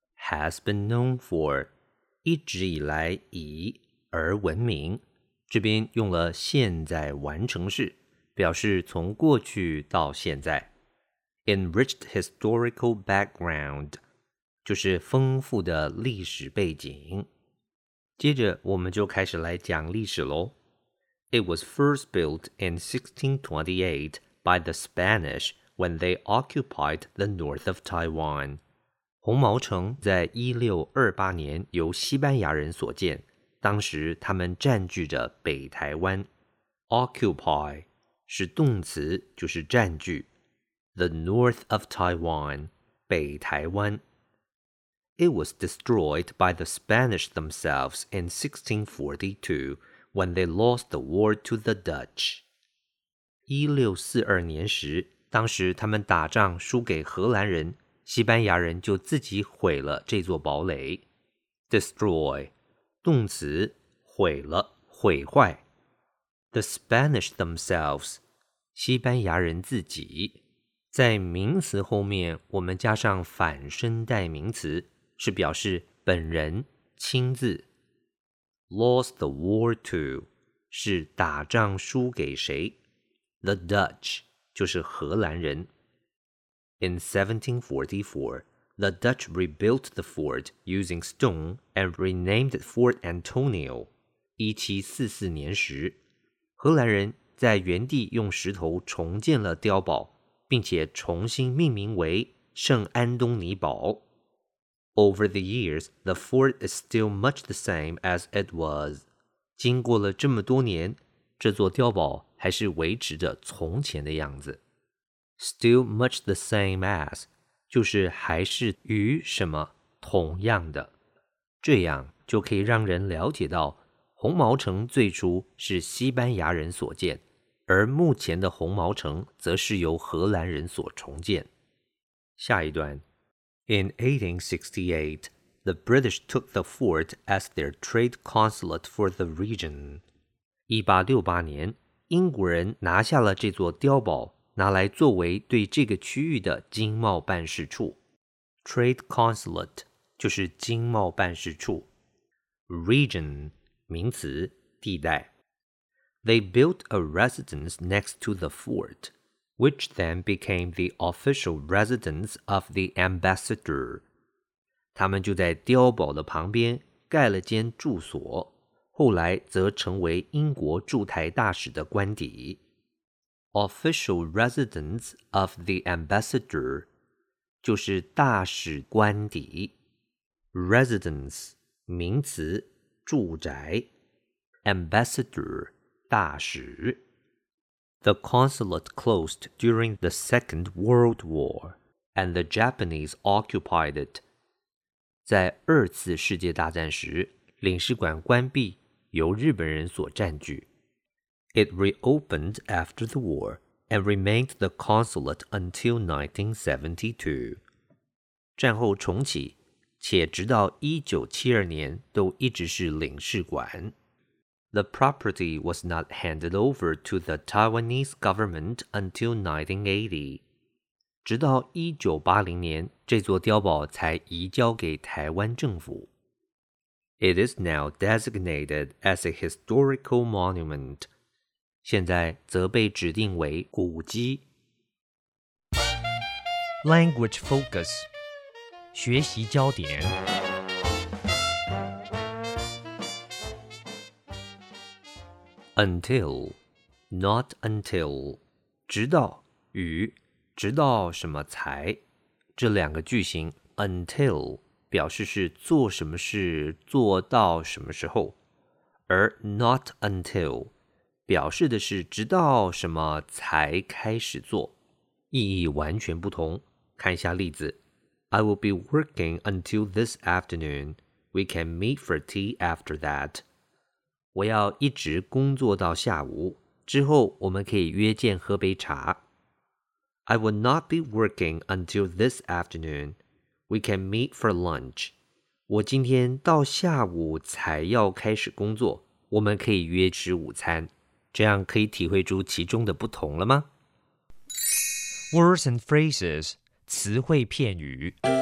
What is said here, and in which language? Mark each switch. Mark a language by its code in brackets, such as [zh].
[en] Has been known for [zh] 一直以来以而闻名，这边用了现在完成式，表示从过去到现在。 [en] Enriched historical background [zh] 就是丰富的历史背景。接着我们就开始来讲历史咯。 [en] It was first built in 1628 by the Spanish when they occupied the north of Taiwan. [zh] 红毛城在1628年由西班牙人所建，当时他们占据着北台湾。 Occupy 是动词，就是占据。 [en] The north of Taiwan, 北台湾。 It was destroyed by the Spanish themselves in 1642. When they lost the war to the Dutch. [zh] 1642年时，当时他们打仗输给荷兰人，西班牙人就自己毁了这座堡垒。 Destroy, 动词，毁了，毁坏。 [en] The Spanish themselves, [zh] 西班牙人自己。在名词后面，我们加上反身代名词，是表示本人，亲自。 [en] Lost the war to [zh] 是打仗输给谁 [en] ？The Dutch [zh] 就是荷兰人。 [en] In 1744, the Dutch rebuilt the fort using stone and renamed it Fort Antonio. [zh] 1744年时，荷兰人在原地用石头重建了碉堡，并且重新命名为圣安东尼堡。 [en] Over the years, the fort is still much the same as it was. [zh] 经过了这么多年，这座碉堡还是维持着从前的样子。 [en] Still much the same as [zh] 就是还是与什么同样的。这样就可以让人了解到红毛城最初是西班牙人所建，而目前的红毛城则是由荷兰人所重建。下一段。 [en] In 1868, the British took the fort as their trade consulate for the region. [zh] 1868年，英国人拿下了这座碉堡，拿来作为对这个区域的经贸办事处。 Trade consulate 就是经贸办事处。 Region 名词，地带。 [en] They built a residence next to the fort, which then became the official residence of the ambassador. [zh] 他们就在碉堡的旁边盖了间住所，后来则成为英国驻台大使的官邸。 [en] Official residence of the ambassador [zh] 就是大使官邸。 Residence 名词，住宅。 Ambassador大使。 [en] The consulate closed during the Second World War, and the Japanese occupied it. [zh] 在二次世界大战时，领事馆关闭，由日本人所占据。 [en] It reopened after the war, and remained the consulate until 1972. [zh] 战后重启，且直到1972年都一直是领事馆。 [en] The property was not handed over to the Taiwanese government until 1980. [zh] 直到1980年，这座碉堡才移交给台湾政府。 [en] It is now designated as a historical monument. [zh] 现在则被指定为古迹。 [en] Language focus， [zh] 学习焦点。 [en] Until, not until, [zh] 直到与直到什么才，这两个句型 until 表示是做什么事做到什么时候，而 not until 表示的是直到什么才开始做，意义完全不同。看一下例子。 [en] I will be working until this afternoon. We can meet for tea after that. [zh] 我要一直工作到下午，之后我们可以约见喝杯茶。 [en] I will not be working until this afternoon. We can meet for lunch. [zh] 我今天到下午才要开始工作，我们可以约吃午餐。这样可以体会出其中的不同了吗？ [en] Words and phrases， [zh] 词汇片语。